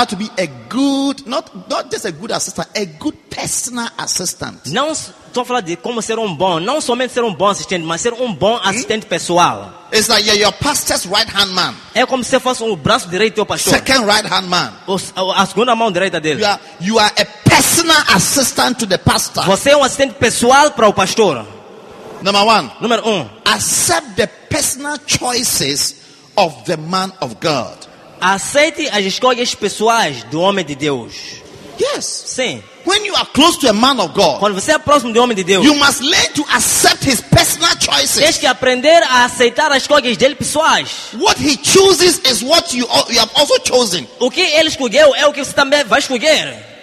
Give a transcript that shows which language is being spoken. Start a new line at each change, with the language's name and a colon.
English: how to be a good, not just a good assistant, a good personal assistant.
Portuguese: Não estou a falar de como ser bom, não somente ser bom assistente, mas ser bom assistente pessoal.
English: It's like you're your pastor's right hand man.
Portuguese: É como se fosse braço direito do pastor.
English: Second right hand man.
Portuguese: A segunda mão direita dele.
English: You are a personal assistant to the pastor.
Portuguese: Você é assistente pessoal para o pastor.
English: Number one,
Portuguese: número um,
English: accept the personal choices of the man of God.
Portuguese: Aceite as escolhas pessoais do homem de Deus.
English: Yes.
Portuguese: Sim.
English: When you are close to a man of God,
Portuguese: quando você é próximo do homem de Deus,
English: you must learn to accept his personal choices.
Portuguese: Tens que aprender a aceitar as escolhas dele pessoais.
English: What he chooses is what you have also chosen.
Portuguese: O que ele escolheu é o que você também vai escolher.